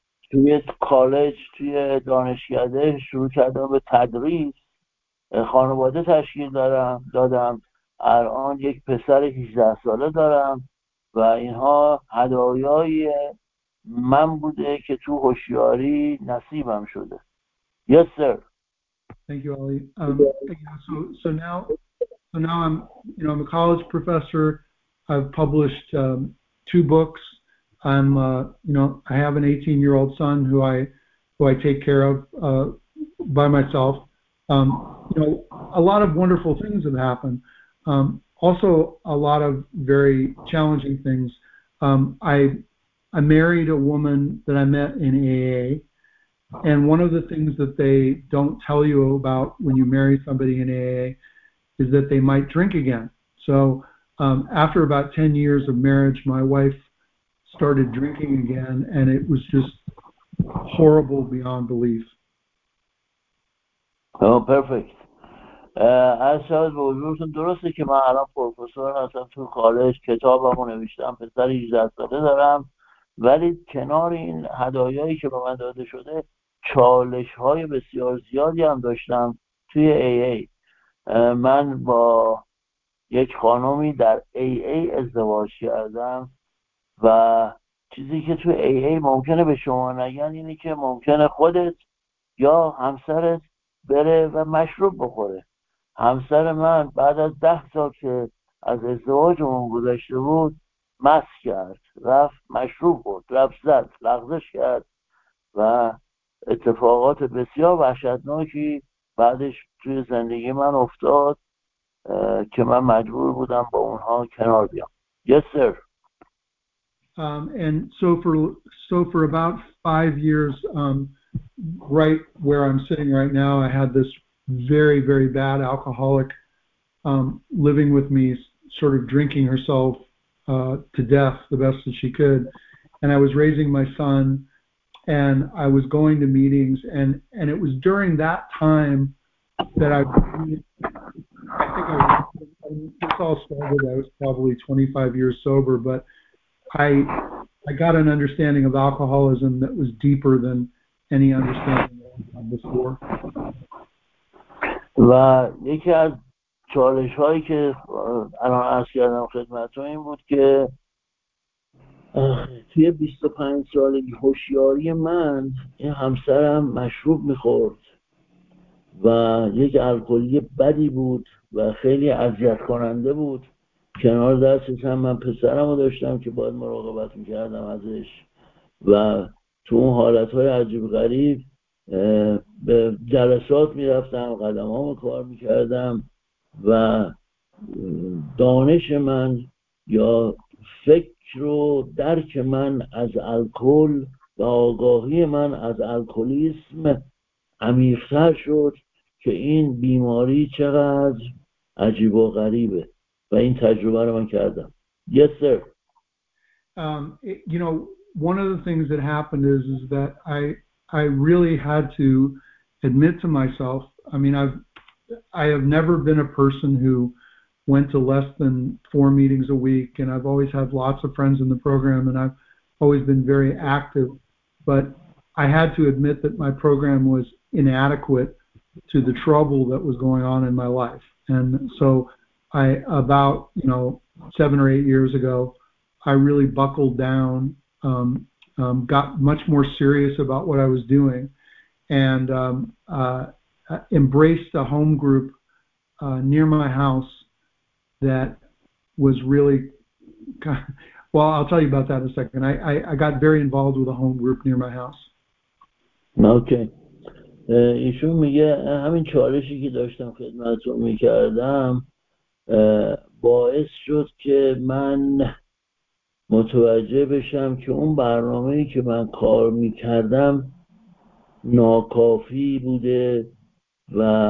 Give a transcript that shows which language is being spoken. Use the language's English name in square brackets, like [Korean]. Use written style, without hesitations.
[Persian] توی کالج توی دانشکده شروع کردم به تدریس خانواده تشکیل دارم دادم. الان یک پسر 18 ساله دارم و اینها هدایای من بوده که تو هوشیاری نصیبم شده. [English] Yes, sir. Thank you, Ali. So now I'm, you know, I'm a college professor. I've published two books. I'm, you know, I have an 18-year-old son who I take care of by myself. You know, a lot of wonderful things have happened. Also, a lot of very challenging things. I married a woman that I met in AA. And one of the things that they don't tell you about when you marry somebody in AA is that they might drink again. So after about 10 years of marriage, my wife started drinking again, and it was just horrible beyond belief. Oh, perfect. [Persian] از شاید به حضورتون درسته که من الان پروفسور هستم تو کالج، کتابم رو نوشتم، پسر 18 ساله دارم، ولی کنار این هدایایی که به من داده شده چالش های بسیار زیادی هم داشتم توی AA. من با یک خانومی در AA ازدواج کردم و چیزی که توی AA ممکنه به شما نگن اینه که ممکنه خودت یا همسرت بره و مشروب بخوره. همسر من بعد از 10 سال که از ازدواجمون گذشته بود مست کرد، رفت مشروب خورد، رفت زد، لغزش کرد و اتفاقات بسیار وحشتناکی بعدش توی زندگی من افتاد که من مجبور بودم با اونها کنار بیام. [English] Yes, sir. And so for about 5 years, right where I'm sitting right now, I had this very, very bad alcoholic living with me, sort of drinking herself to death the best that she could. And I was raising my son, and I was going to meetings, and it was during that time that I was probably 25 years sober, but I got an understanding of alcoholism that was deeper than any understanding that I had before. [Persian] و یکی از چالش هایی که الان عرض کردم خدمتتون این بود که توی 25 سالگی هوشیاری من این همسرم مشروب میخورد و یک الکلی بدی بود و خیلی اذیت کننده بود. کنار دستش هم من پسرم رو داشتم که باید مراقبت میکردم ازش و تو اون حالت های عجیب غریب به جلسات می رفتم، قدم ها کار می کردم و دانش من یا فکر و درک من از الکل و آگاهی من از الکلیسم عمیق‌تر شد که این بیماری چقدر عجیب و غریبه و این تجربه رو من کردم. [English] Yes, sir. You know, one of the things that happened is that I really had to admit to myself, I mean, I have never been a person who went to less than 4 meetings a week, and I've always had lots of friends in the program, and I've always been very active, but I had to admit that my program was inadequate to the trouble that was going on in my life. And so I, about, you know, 7 or 8 years ago, I really buckled down, got much more serious about what I was doing, and embraced a home group near my house that was really, well, I'll tell you about that in a second. I got very involved with a home group near my house. Okay. [Persian] ایشون میگه همین چالشی که داشتم خدمتتون میکردم باعث شد که من متوجه بشم که اون برنامه‌ای که من کار می‌کردم ناکافی بوده و